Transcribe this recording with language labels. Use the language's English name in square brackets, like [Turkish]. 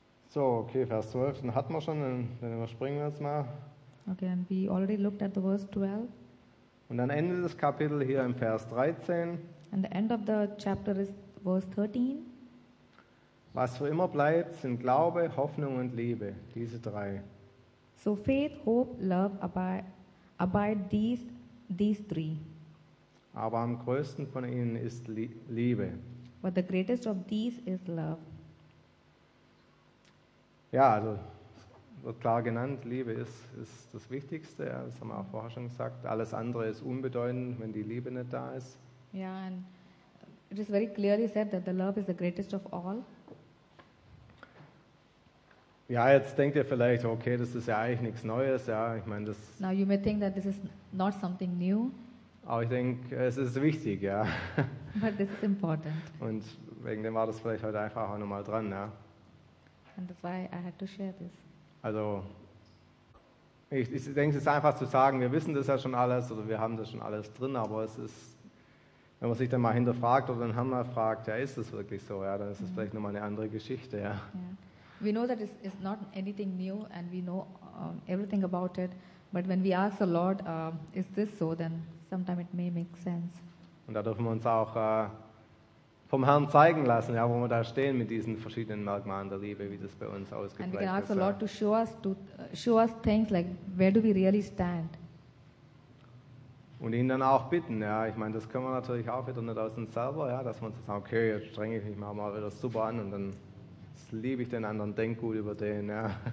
[German] So, okay, Vers 12, den hatten wir schon, dann überspringen wir jetzt mal. [English] Okay, and we already looked at the verse 12. [German] Und dann endet das Kapitel hier im Vers 13. [English] And the end of the chapter is verse 13. [German] Was für immer bleibt, sind Glaube, Hoffnung und Liebe, diese drei. [English] So faith, hope, love abide these three. [German] Aber am größten von ihnen ist Liebe. [English] But the greatest of these is love. [German] Ja, also wird klar genannt, Liebe ist das Wichtigste, ja, das haben wir auch vorher schon gesagt. Alles andere ist unbedeutend, wenn die Liebe nicht da ist. [English] Ja, yeah, and it is very clearly said that the love is the greatest of all. [German] Ja, jetzt denkt ihr vielleicht, okay, das ist ja eigentlich nichts Neues, ja, ich meine, das... [English] Now you may think that this is not something new. [German] Aber ich denke, es ist wichtig, ja. [English] But this is important. [German] Und wegen dem war das vielleicht heute einfach auch nochmal dran, ja. [English] And that's why I had to share this. [German] Also, ich denke, es ist einfach zu sagen, wir wissen das ja schon alles, oder wir haben das schon alles drin, aber es ist, wenn man sich dann mal hinterfragt, oder dann haben wir gefragt, ja, ist das wirklich so, ja, dann ist das vielleicht nochmal eine andere Geschichte, ja. [English] Yeah. We know that it's not anything new, and we know everything about it, but when we ask the Lord, is this so, then sometimes it may make sense. [German] Und da dürfen wir uns auch vom Herrn zeigen lassen, ja, wo wir da stehen mit diesen verschiedenen Merkmalen der Liebe, wie das bei uns ausgeprägt ist. [English] And we can ask the Lord to show us things like where do we really stand. [German] Und ihn dann auch bitten, ja. Ich meine, das können wir natürlich auch wieder nicht aus uns selber, ja, dass wir uns sagen, okay, jetzt strenge ich mich mal wieder super an und dann liebe ich den anderen, denk gut über den, ja.